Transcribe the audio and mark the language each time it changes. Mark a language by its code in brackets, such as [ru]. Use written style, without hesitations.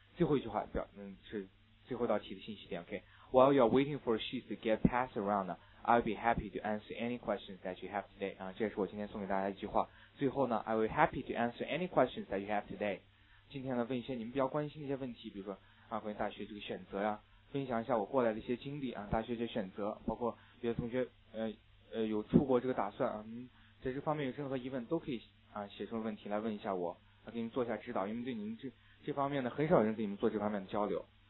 [zh] 最后一句话表是最后一道题的信息点 ，OK。 [en] While you're waiting for sheets to get passed around, I'll be happy to answer any questions that you have today。 [zh] 这是我今天送给大家一句话。最后呢 [en] ，I will happy to answer any questions that you have today。 [zh] 今天呢，问一些你们比较关心的一些问题，比如说关于大学这个选择呀，分享一下我过来的一些经历大学这选择，包括别的同学有出国这个打算在这方面有任何疑问都可以写出问题来问一下我，给你做一下指导，因为对您这方面呢，很少人给你们做这方面的交流。